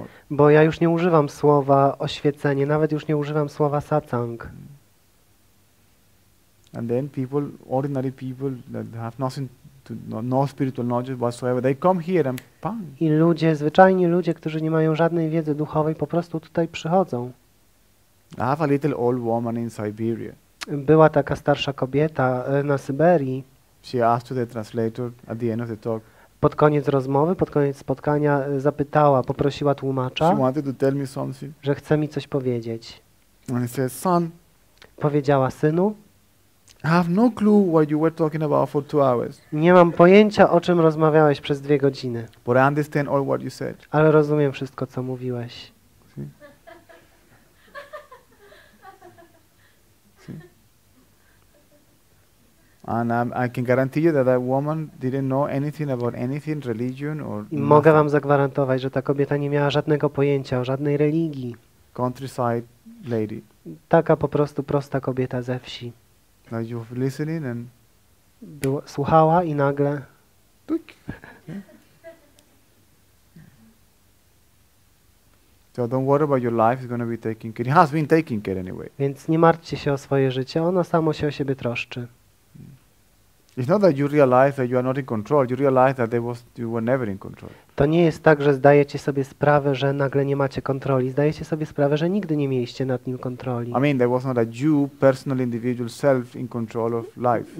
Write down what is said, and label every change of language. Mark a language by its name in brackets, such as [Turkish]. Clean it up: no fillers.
[Polish] Bo ja już nie używam słowa oświecenie, nawet już nie używam słowa satsang. [English] And then people, ordinary people that have nothing to, no spiritual knowledge whatsoever, they come here and bang. [Polish] I ludzie, zwyczajni ludzie, którzy nie mają żadnej wiedzy duchowej, po prostu tutaj przychodzą. [English] I have a little old woman in Siberia. [Polish] Była taka starsza kobieta na Syberii. [English] She asked to the translator at the end of the talk. [Polish] Pod koniec rozmowy, pod koniec spotkania zapytała, poprosiła tłumacza, [English] she wanted to tell me something, [Polish] że chce mi coś powiedzieć. [English] And he said, son. [Polish] Powiedziała, synu. [English] I have no clue what you were talking about for 2 hours. [Polish] Nie mam pojęcia, o czym rozmawiałeś przez 2 godziny. [English] But I understand all what you said. Ale rozumiem wszystko, co mówiłeś. See? See? And I can guarantee you that that woman didn't know anything about anything, religion or. [Polish] I mogę wam zagwarantować, że ta kobieta nie miała żadnego pojęcia o żadnej religii. [English] Countryside lady. [Polish] Taka po prostu prosta kobieta ze wsi. [English] Now you're listening and [Polish] była, słuchała i nagle. [English] So don't worry about your life, it's gonna be taken care. It has been taken care anyway. [Polish] Więc nie martwcie się o swoje życie, ono samo się o siebie troszczy. [English] It's not that you realize that you are not in control, you realize that you were never in control. [Polish] To nie jest tak, że zdajecie sobie sprawę, że nagle nie macie kontroli. Zdajecie sobie sprawę, że nigdy nie mieliście nad nim kontroli. [English] I mean, there was not a you, personal, individual self in control of life.